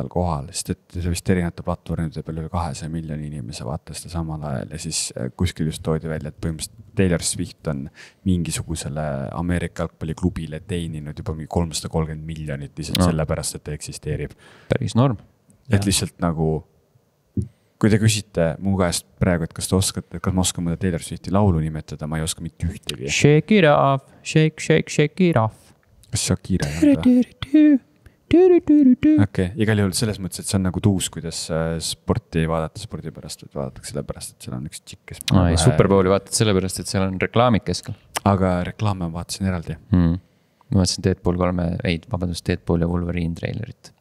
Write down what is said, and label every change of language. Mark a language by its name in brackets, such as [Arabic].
[Estonian] kohal, sest et see vist erinevate platvormide peale 200 miljoni inimese vaatasta samal ajal ja siis kuskil just toodi välja, et põhimõtteliselt Taylor Swift on mingisugusele Ameerika jalgpalliklubile teeninud juba mingi 330 miljonit lihtsalt sellepärast, et ta eksisteerib. Päris norm. Et lihtsalt nagu Kui te küsite mu käest praegu, et kas te oskate, et kas ma oskan mõda Taylor Swifti laulu nimetada, ma ei oska mitte ühtegi. [English] Shake it off, shake it off. [Estonian] Kas see on kiire? Okei, igal juhul selles mõttes, et see on nagu tuus, kuidas sporti ei vaadata spordi pärast, et vaadatakse selle pärast, et seal on üks tšik, kes... Ei, Super Bowli vaatad selle pärast, et seal on reklaamik keskel. Aga reklaame on vaatasin eraldi. Ma vaatasin Deadpool 3, ei, vabandust Deadpool ja Wolverine trailerit.